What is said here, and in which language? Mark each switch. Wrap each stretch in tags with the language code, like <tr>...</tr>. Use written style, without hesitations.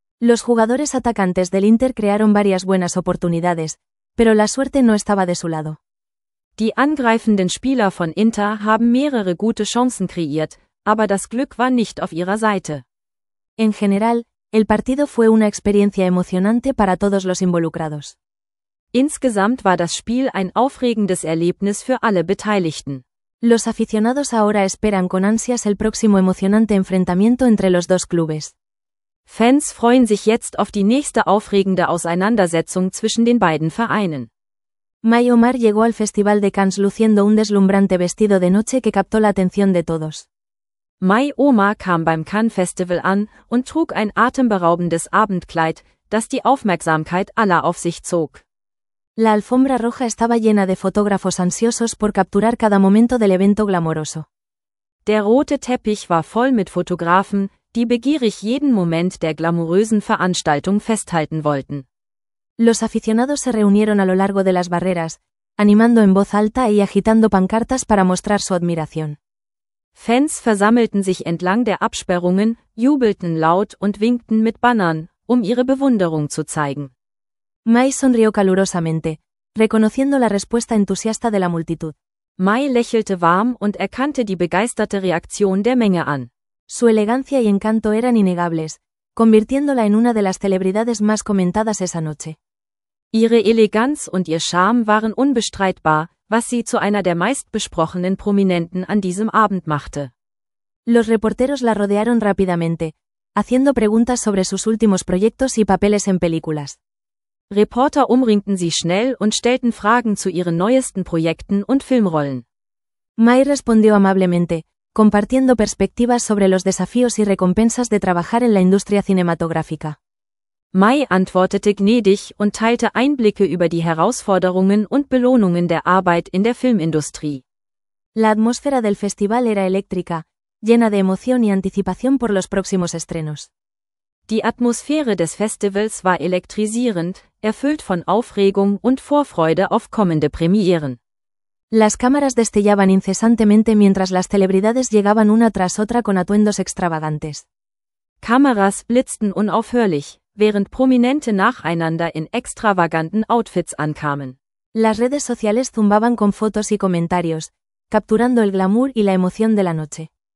<es>Los jugadores atacantes del Inter crearon varias buenas oportunidades, pero la suerte no estaba de su lado.</es> <de>Die angreifenden Spieler von Inter haben mehrere gute Chancen kreiert, aber das Glück war nicht auf ihrer Seite.</de> <es>En general, el partido fue una experiencia emocionante para todos los involucrados.</es> <de>Insgesamt war das Spiel ein aufregendes Erlebnis für alle Beteiligten.</de> <es>Los aficionados ahora esperan con ansias el próximo emocionante enfrentamiento entre los dos clubes.</es> <de>Fans freuen sich jetzt auf die nächste aufregende Auseinandersetzung zwischen den beiden Vereinen.</de> <es>Mai Omar llegó al Festival de Cannes luciendo un deslumbrante vestido de noche que captó la atención de todos.</es> <de>Mai Omar kam beim Cannes Festival an und trug ein atemberaubendes Abendkleid, das die Aufmerksamkeit aller auf sich zog.</de> <es>La alfombra roja estaba llena de fotógrafos ansiosos por capturar cada momento del evento glamoroso.</es> <de>Der rote Teppich war voll mit Fotografen, die begierig jeden Moment der glamourösen Veranstaltung festhalten wollten.</de> <es>Los aficionados se reunieron a lo largo de las barreras, animando en voz alta y agitando pancartas para mostrar su admiración.</es> <de>Fans versammelten sich entlang der Absperrungen, jubelten laut und winkten mit Bannern, um ihre Bewunderung zu zeigen.</de> <es>Mai sonrió calurosamente, reconociendo la respuesta entusiasta de la multitud.</es> <de>Mai lächelte warm und erkannte die begeisterte Reaktion der Menge an.</de> <es>Su elegancia y encanto eran innegables, convirtiéndola en una de las celebridades más comentadas esa noche.</es> <de>Ihre Eleganz und ihr Charme waren unbestreitbar, was sie zu einer der meistbesprochenen Prominenten an diesem Abend machte.</de> <es>Los reporteros la rodearon rápidamente, haciendo preguntas sobre sus últimos proyectos y papeles en películas.</es> <de>Reporter umringten sie schnell und stellten Fragen zu ihren neuesten Projekten und Filmrollen.</de> <es>Mai respondió amablemente, compartiendo perspectivas sobre los desafíos y recompensas de trabajar en la industria cinematográfica.</es> <de>Mai antwortete gnädig und teilte Einblicke über die Herausforderungen und Belohnungen der Arbeit in der Filmindustrie.</de> <es>La atmósfera del festival era eléctrica, llena de emoción y anticipación por los próximos estrenos.</es> <de>Die Atmosphäre des Festivals war elektrisierend, erfüllt von Aufregung und Vorfreude auf kommende Premieren.</de> <es>Las cámaras destellaban incesantemente mientras las celebridades llegaban una tras otra con atuendos extravagantes.</es> <de>Kameras blitzten unaufhörlich, während Prominente nacheinander in extravaganten Outfits ankamen.</de> <es>Las redes sociales zumbaban con fotos y comentarios, capturando el glamour y la emoción de la noche.</es>